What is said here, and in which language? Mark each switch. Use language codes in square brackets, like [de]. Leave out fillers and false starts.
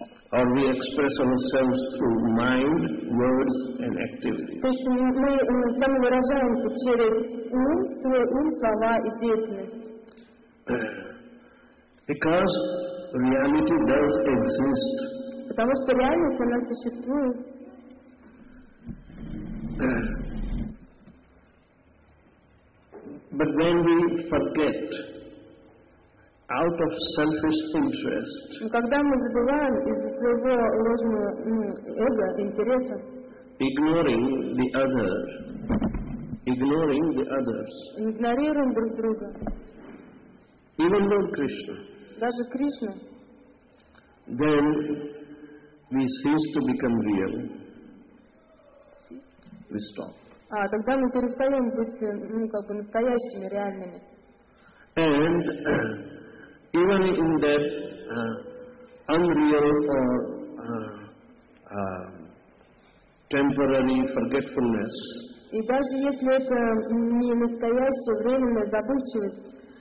[en] Or we express ourselves through mind, words, and activities. [ru] То есть мы сами выражаемся через ум, свой ум, слова и деятельность. [en] Because reality does exist. [ru] Потому что реальность она существует. [en] But when we forget, out of selfish interest. [ru] Когда мы забываем из-за своего ложного эго, интереса. [en] Ignoring the others. [ru] Игнорируем друг друга. [en] Even though Krishna. [ru] Даже Кришна. [en] Then we cease to become real. We stop. [ru] Тогда мы перестаем быть настоящими, реальными. [en] And even in that unreal or temporary forgetfulness. [ru] И даже если это не настоящее временное забывчивость.